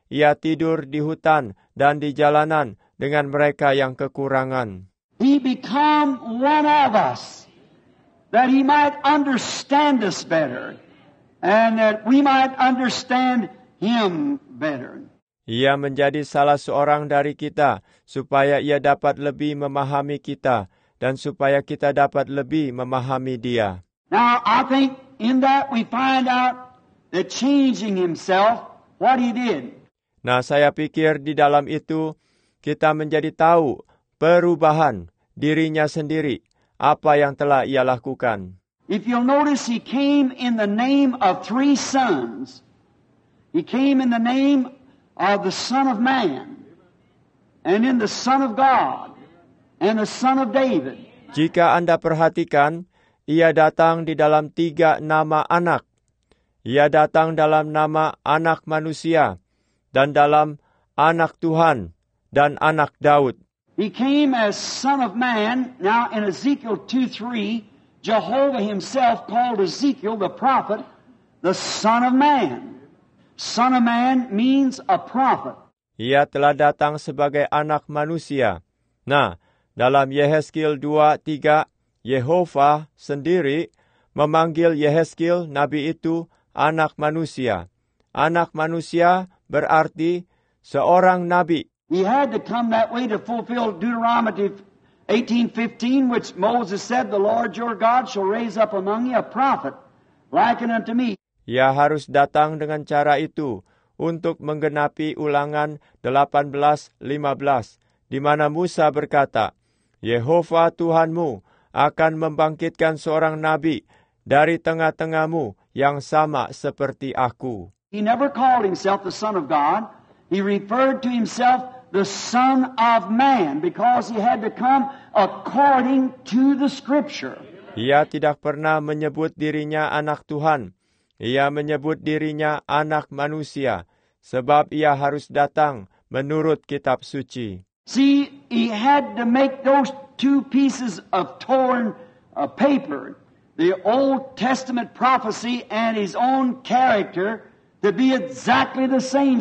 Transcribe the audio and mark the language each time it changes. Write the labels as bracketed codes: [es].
[id] Ia tidur di hutan dan di jalanan dengan mereka yang kekurangan. [en] He became one of us that he might understand us better and that we might understand him better. [id] Ia menjadi salah seorang dari kita supaya ia dapat lebih memahami kita dan supaya kita dapat lebih memahami dia. [en] Now, I think in that we find out that changing himself, what he did. [id] Nah, saya pikir di dalam itu kita menjadi tahu perubahan dirinya sendiri, apa yang telah ia lakukan. [en] If you'll notice, he came in the name of three sons. He came in the name of the Son of Man, and in the Son of God, and the Son of David. [id] Jika Anda perhatikan, ia datang di dalam tiga nama anak. Ia datang dalam nama anak manusia, dan dalam anak Tuhan, dan anak Daud. [en] He came as Son of Man. Now in Ezekiel 2:3, Jehovah himself called Ezekiel the prophet, the Son of Man. Son of Man means a prophet. [id] Ia telah datang sebagai anak manusia. Nah, dalam Yehezkiel 2:3, Yehovah sendiri memanggil Yehezkiel, nabi itu, anak manusia. Anak manusia berarti seorang nabi. [en] He had to come that way to fulfill Deuteronomy 18:15, which Moses said, "The Lord your God shall raise up among you a prophet like unto me." [id] Ia harus datang dengan cara itu untuk menggenapi Ulangan 18:15, di mana Musa berkata, "Yehova Tuhanmu akan membangkitkan seorang nabi dari tengah-tengahmu yang sama seperti aku." [en] He never called himself the Son of God. He referred to himself the Son of Man because he had to come according to the Scripture. [id] Ia tidak pernah menyebut dirinya anak Tuhan. Ia menyebut dirinya anak manusia sebab ia harus datang menurut kitab suci. [en] See, he had to make those two pieces of torn paper, the Old Testament prophecy and his own character, to be exactly the same.